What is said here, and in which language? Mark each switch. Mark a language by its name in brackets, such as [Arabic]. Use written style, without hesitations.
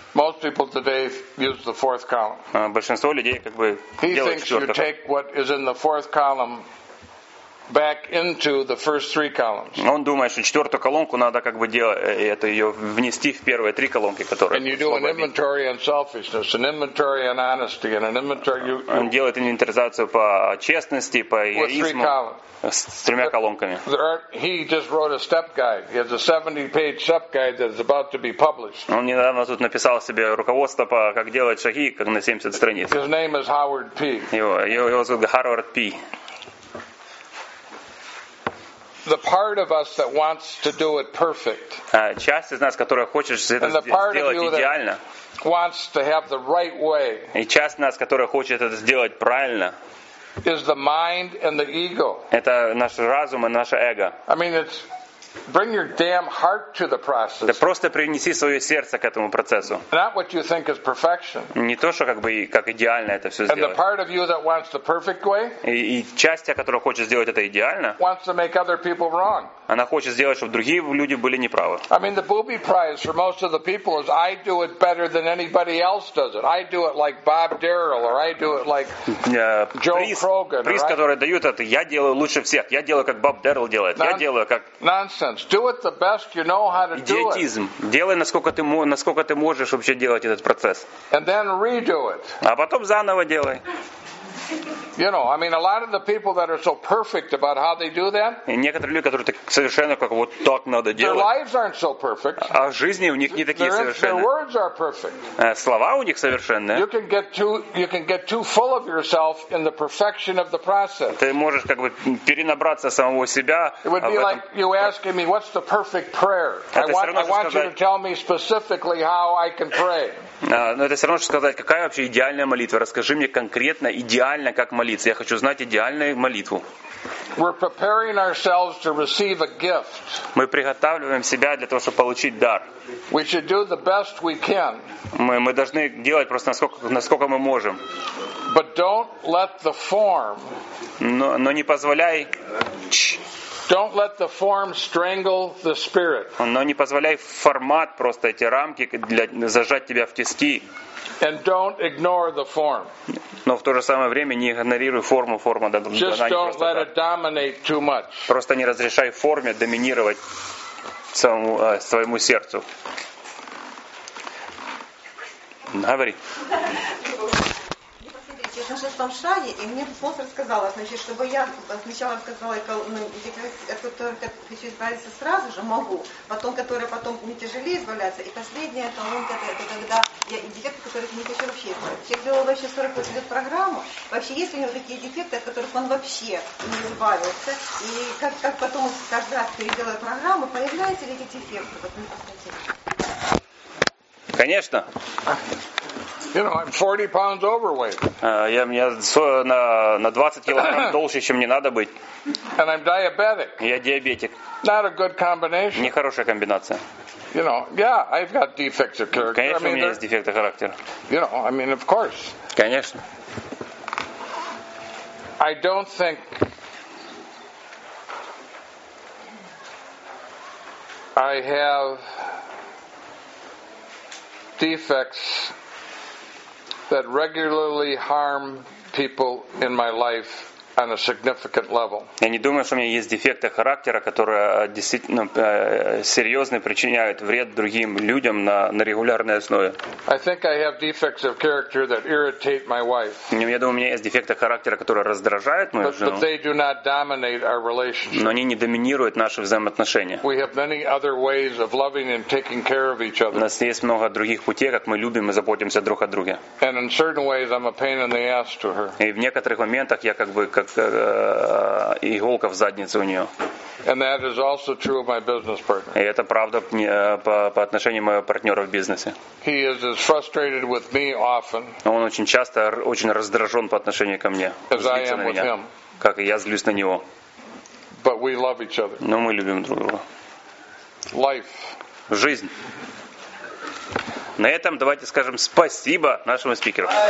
[English] Most people today use the fourth column. [Russian] Большинство людей как бы делают четвертую. [English] He thinks you take what is in the fourth column. Back into the first three columns. [Russian] Он думает, что четвертую колонку надо как бы делать, это ее внести в первые три колонки, которые. [English] And you do an inventory on selfishness, an inventory on honesty, and an inventory. [Russian] Он делает инвентаризацию по честности, по эгоизму. С тремя колонками. [English] He just wrote a step guide. He has a 70-page step guide that is about to be published. [Russian] Он недавно тут написал себе руководство по как делать шаги, как на 70 страниц. [English] His name is Howard P. [Russian] Его зовут Howard P. [English] The part of us that wants to do it perfect. [Russian] Часть из нас, которая хочет сделать идеально. [English] Wants to have the right way. [Russian] И часть нас, которая хочет это сделать правильно. [English] Is the mind and the ego. [Russian] Это наш разум и наше эго. [English] I mean, it's bring your damn heart to the process. [Russian] Да просто принеси свое сердце к этому процессу. [English] Not what you think is perfection. [Russian] Не то, что как бы как идеально это все сделать. [English] And the part of you that wants the perfect way. [Russian] И часть, которая хочет сделать это идеально. [English] Wants to make other people wrong. [Russian] Она хочет сделать, чтобы другие люди были неправы. [English] I mean, the booby prize for most of the people is I do it better than anybody else does it. I do it like Bob Darrell or I do it like Joe Krogan. [Russian] Приз, который дают, это я делаю лучше всех. Я делаю как Боб Дэррелл делает. Я делаю как. [English] Do it the best you know how to do it. [Russian] Идиотизм. Делай насколько ты можешь вообще делать этот процесс. [English] And then redo it. [Russian] А потом заново делай. [English] You know, I mean, a lot of the people that are so perfect about how they do that. [Russian] И некоторые люди, которые так совершенно как вот так надо делать. [English] Their lives aren't so perfect. [Russian] А жизни у них не такие совершенные. [English] Their words are perfect. [Russian] Слова у них совершенные. [English] You can get too full of yourself in the perfection of the process. [Russian] Ты можешь как бы перенабраться самого себя. [English] It would be like you asking me, what's the perfect prayer? I want you to tell me specifically how I can pray. [Russian] Но это все равно, что сказать, какая вообще идеальная молитва? Расскажи мне конкретно идеально, как молиться. Я хочу знать идеальную молитву. [English] We're preparing ourselves to receive a gift. [Russian] Мы приготавливаем себя для того, чтобы получить дар. [English] We should do the best we can. [Russian] Мы должны делать просто насколько мы можем. [English] But don't let the form. [Russian] Но не позволяй. [English] Don't let the form strangle the spirit. [Russian] Но не позволяй формат просто эти рамки для зажать тебя в тиски. [English] And don't ignore the form. [Russian] Но в то же самое время не игнорируй форму, форма должна быть. [English] Just don't let it dominate too much. [Russian] Просто не разрешай форме доминировать своему сердцу. Говори. Я нашла спонсора, и мне спонсор сказала, значит, чтобы я сначала сказала, который хочу избавиться сразу же, могу, потом, которая потом мне тяжелее избавляться, и последняя колонка, это когда я и дефекты, которых не хочу вообще избавиться. Человек делал вообще 48 лет программу, вообще есть ли у него такие дефекты, от которых он вообще не избавился, и как потом каждый раз переделывая программу, появляются ли эти дефекты? Вот мне посмотрите. Конечно. [English] You know, I'm 40 pounds overweight. [Russian] Я на 20 килограмм толще, чем мне надо быть. [English] And I'm diabetic. [Russian] Я диабетик. [English] Not a good combination. [Russian] Нехорошая комбинация. [English] You know, yeah, I've got defects of character. [Russian] Конечно, у меня есть дефекты характера. [English] You know, I mean, of course. [Russian] Конечно. [English] I don't think I have defects that regularly harm people in my life on a significant level. [Russian] Я не думаю, что у меня есть дефекты характера, которые действительно серьезно причиняют вред другим людям на регулярной основе. [English] I think I have defects of character that irritate my wife. [Russian] Я думаю, у меня есть дефекты характера, которые раздражают мою жену. [English] But they do not dominate our relationship. [Russian] Но они не доминируют наши взаимоотношения. [English] We have many other ways of loving and taking care of each other. [Russian] У нас есть много других путей, как мы любим и заботимся друг о друге. [English] And in certain ways, I'm a pain in the ass to her. [Russian] И в некоторых моментах я как бы как иголка в заднице у нее. [English] And that is also true of my business partner. [Russian] И это правда по отношению моего партнера в бизнесе. [English] He is as frustrated with me often. [Russian] Он очень часто очень раздражен по отношению ко мне. [English] As I am with him. [Russian] Как и я злюсь на него. [English] But we love each other. [Russian] Но мы любим друг друга. [English] Life. [Russian] Жизнь. На этом давайте скажем спасибо нашему спикеру.